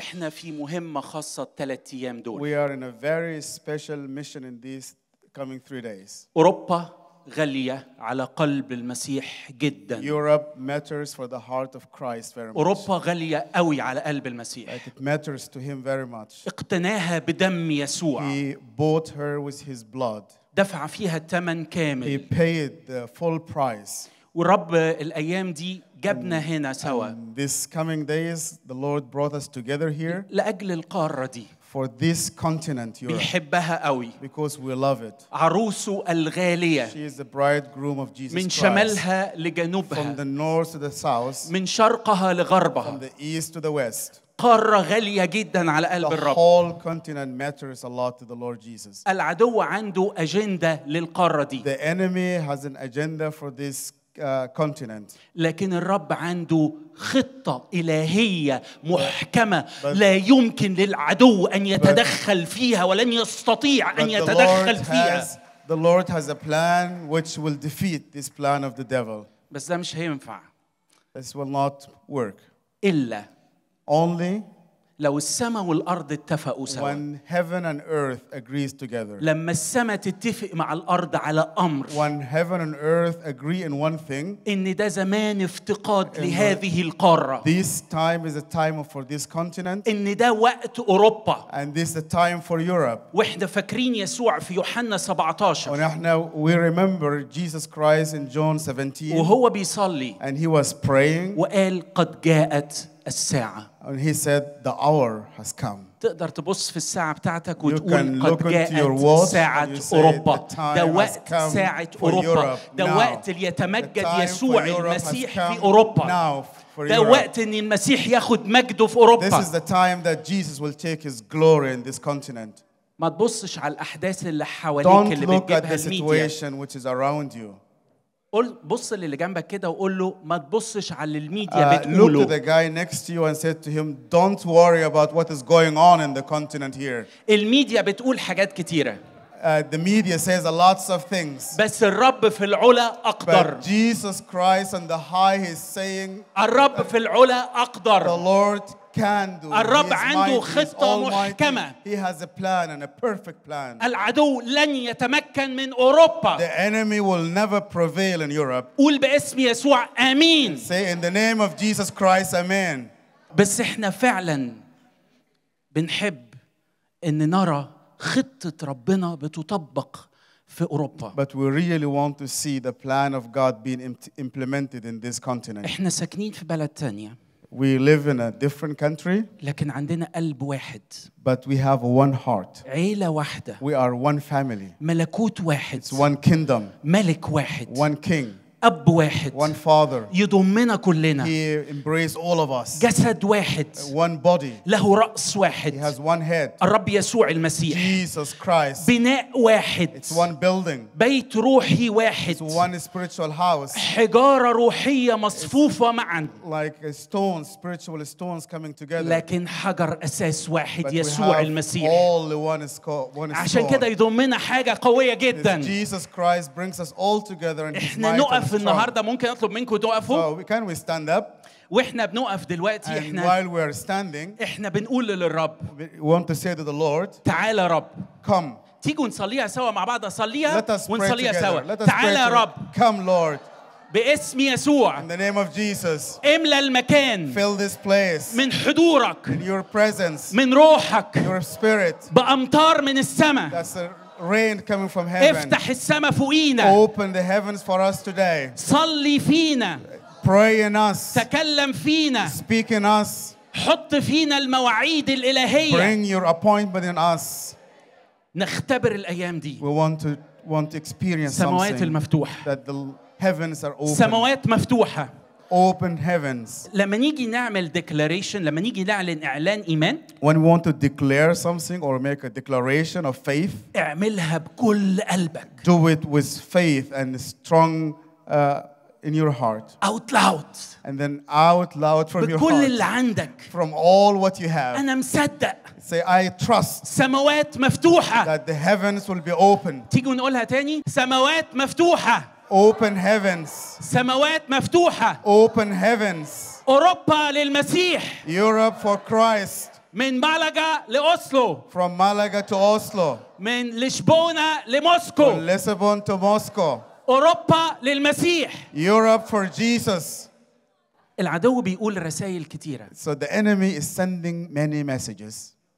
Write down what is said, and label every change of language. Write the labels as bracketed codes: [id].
[ar] في مهمة خاصة الثلاث أيام دول. [en] We are in a very special mission in these coming three days. [ar] أوروبا غالية على قلب المسيح جدا. [en] Europe matters for the heart of Christ very much. [ar] أوروبا غالية قوي على قلب المسيح. [en] It matters to him very much. [ar] اقتناها بدم يسوع. [en] He bought her with his blood. [ar] دفع فيها الثمن كامل. [en] He paid the full price. [ar] ورب الأيام دي جابنا هنا سوا. [en] This coming days, the Lord brought us together here. [ar] لأجل القارة دي. [en] For this continent, Europe. [ar] بيحبها قوي. [en] Because we love it. [ar] عروسه الغالية. [en] She is the bridegroom of Jesus [ar] من شمالها لجنوبها. [en] From the north to the south. [ar] من شرقها لغربها. [en] From the east to the west. [ar] قارة غالية جدا على قلب الرب. [en] The whole continent matters a lot to the Lord Jesus. [ar] العدو عنده أجندة للقارة دي. [en] The enemy has an agenda for this. Continent. [ar] لكن الرب عنده خطة إلهية محكمة لا يمكن للعدو أن يتدخل فيها ولن يستطيع أن يتدخل فيها. [en] The Lord has a plan which will defeat this plan of the devil. [ar] بس ده مش هينفع. [en] This will not work. [ar] إلا. [en] Only. [ar] لو السماء والأرض اتفقوا سوا. [en] When heaven and earth agrees together. [ar] لما السماء تتفق مع الأرض على أمر. [en] When heaven and earth agree in one thing. [ar] إن ده زمان افتقاد لهذه القارة. [en] This time is a time for this continent. [ar] إن ده وقت أوروبا. [en] And this is a time for Europe. [ar] وإحنا فاكرين يسوع في يوحنا 17. ونحن [en] we remember Jesus Christ in John 17. [ar] وهو بيصلي. [en] And he was praying. [ar] وقال قد جاءت الساعة. [en] And he said, "The hour has come." [ar] تقدر تبص في الساعة بتاعتك وتقول [en] you can look [ar] قد جاءت [en] into your watch [ar] ساعة أوروبا. ده وقت ساعة أوروبا. ده وقت ليتمجد يسوع المسيح في أوروبا. ده وقت إن المسيح ياخد مجده في أوروبا. [en] This is the time that Jesus will take his glory in this continent. [ar] ما تبصش على الأحداث اللي حواليك اللي بتجيبها الميديا. [en] Don't look at the situation which is around you. [ar] قول بص للي جنبك كده وقول له ما تبصش على الميديا بتقوله. [en] Look to the guy next to you and said to him, "Don't worry about what is going on in the continent here." [ar] الميديا بتقول حاجات كتيرة. [en] The media says a lots of things. [ar] بس الرب في العلا أقدر. [en] But Jesus Christ on the high is saying. [ar] الرب في العلا أقدر. [en] The Lord can do. [ar] الرب عنده خطة محكمة. [en] He has a plan and a perfect plan. [ar] العدو لن يتمكن من أوروبا. [en] The enemy will never prevail in Europe. [ar] قول باسم يسوع آمين. [en] Say in the name of Jesus Christ, Amen. [ar] بس إحنا فعلاً بنحب إن نرى. خطة ربنا بتطبق في أوروبا. [en] But we really want to see the plan of God being implemented in this continent. [ar] إحنا ساكنين في بلد تانية. [en] We live in a different country. [ar] لكن عندنا قلب واحد. [en] But we have one heart. [ar] عيلة واحدة. [en] We are one family. [ar] ملكوت واحد. [en] It's one kingdom. [ar] ملك واحد. [en] One king. [ar] أب واحد [en] one father [ar] يضمنا كلنا [en] he embrace all of us [ar] جسد واحد [en] one body [ar] له رأس واحد [en] he has one head [ar] الرب يسوع المسيح [en] Jesus Christ [ar] بناء واحد [en] it's one building [ar] بيت روحي واحد [en] it's one spiritual house [ar] حجارة روحية مصفوفة [en] it's [ar] معا [en] like a stone spiritual stones coming together [ar] لكن حجر أساس واحد [en] But [ar] يسوع المسيح [en] all one is one is [ar] عشان كده يضمنا حاجة قوية جدا [en] Jesus Christ brings us all together in [ar] إحنا نقف في النهاردة ممكن أطلب منكم توقفوا. [en] Can we stand up? [ar] وإحنا بنوقف دلوقتي إحنا. [en] And while we are standing. [ar] إحنا بنقول للرب. [en] We want to say to the Lord. [ar] تعال رب. [en] Come. [ar] تيجوا نصليها سوا مع بعض صليها. [en] Let us pray [ar] ونصليها [en] together. [ar] سوا. تعال رب. [en] Come Lord. [ar] باسم يسوع. [en] In the name of Jesus. [ar] إملى المكان. [en] Fill this place. [ar] من حضورك. [en] In your presence. [ar] من روحك. [en] Your spirit. [ar] بأمطار من السماء. [en] That's a rain coming from heaven [ar] افتح السماء فوقينا [en] open the heavens for us today [ar] صلي فينا [en] pray in us [ar] تكلم فينا [en] speak in us [ar] حط فينا المواعيد الإلهية [en] bring your appointment in us [ar] نختبر الأيام دي [en] we want to experience [ar] سماوات المفتوحة [en] that the heavens are open [ar] سماوات مفتوحة [en] open heavens [ar] لما نيجي نعمل declaration لما نيجي نعلن اعلان ايمان [en] when we want to declare something or make a declaration of faith [ar] اعملها بكل قلبك [en] do it with faith and strong in your heart out loud and then out loud from your heart [ar] بكل اللي عندك [en] from all what you have [ar] انا مصدق [en] say I trust [ar] سماوات مفتوحة [en] that the heavens will be open [ar] تيجي نقولها تاني سماوات مفتوحة [en] Open heavens. [ar] سماوات مفتوحة. [en] Open heavens. [ar] أوروبا للمسيح. [en] Europe for Christ. [ar] من مالاغا لأوسلو. [en] From Malaga to Oslo. [ar] من لشبونة لموسكو. [en] From Lisbon to Moscow. [ar] أوروبا للمسيح. [en] Europe for Jesus. [ar] العدو بيقول رسائل كتيرة. [en] So the enemy is sending many messages.